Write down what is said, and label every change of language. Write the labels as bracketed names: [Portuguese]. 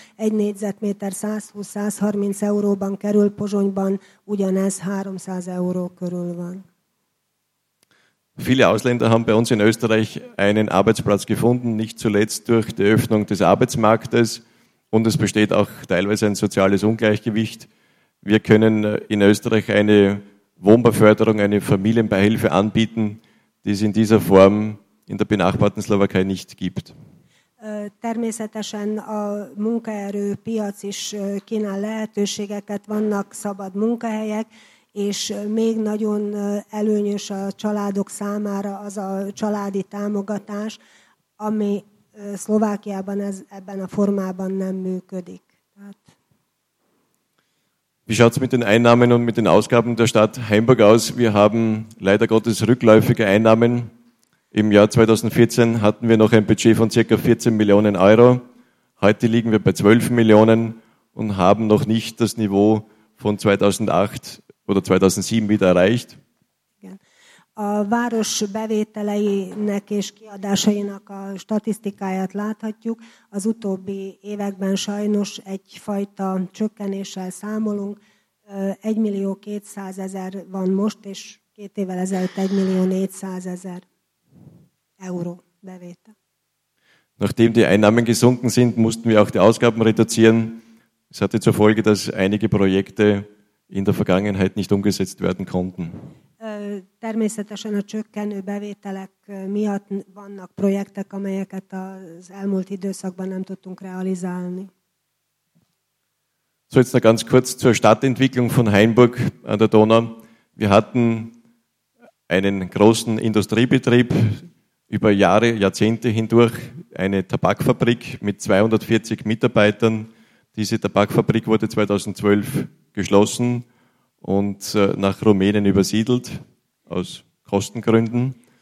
[Hungarian] Egy négyzetméter 120-130 euróban kerül, Pozsonyban ugyanez 300 euró körül van. [German] Viele Ausländer haben bei uns in Österreich einen Arbeitsplatz gefunden, nicht zuletzt durch die Öffnung des Arbeitsmarktes und es besteht auch teilweise ein soziales Ungleichgewicht. Wir können in Österreich eine Wohnbeförderung, eine Familienbeihilfe anbieten, die es in dieser Form in der benachbarten Slowakei nicht gibt. [Hungarian] Természetesen a munkaerőpiac is kínál lehetőségeket, vannak szabad munkahelyek, és még nagyon előnyös a családok számára az a családi támogatás, ami Szlovákiában ebben a formában nem működik. [German] Wie schaut's mit den Einnahmen und mit den Ausgaben der Stadt Heimburg aus? Wir haben leider Gottes rückläufige Einnahmen. Im Jahr 2014 hatten wir noch ein Budget von ca. 14 Millionen Euro. Heute liegen wir bei 12 Millionen und haben noch nicht das Niveau von 2008 oder 2007 wieder erreicht. [Hungarian] A város bevételeinek és kiadásainak a statisztikáját láthatjuk. Az utóbbi években sajnos egyfajta csökkenéssel számolunk. 1.200.000 van most, és két évvel ezelőtt 1.400.000 euró bevétel. [German] Nachdem die Einnahmen gesunken sind, mussten wir auch die Ausgaben reduzieren. Es hatte zur Folge, dass einige Projekte in der Vergangenheit nicht umgesetzt werden konnten. [Hungarian] Természetesen a csökkenő bevételek miatt vannak projektek, amelyeket az elmúlt időszakban nem tudtunk realizálni. [German] So, jetzt noch ganz kurz zur Stadtentwicklung von Hainburg an der Donau. Wir hatten einen großen Industriebetrieb über Jahre, Jahrzehnte hindurch, eine Tabakfabrik mit 240 Mitarbeitern. Diese Tabakfabrik wurde 2012 geschlossen und nach Rumänien übersiedelt, aus Kostengründen.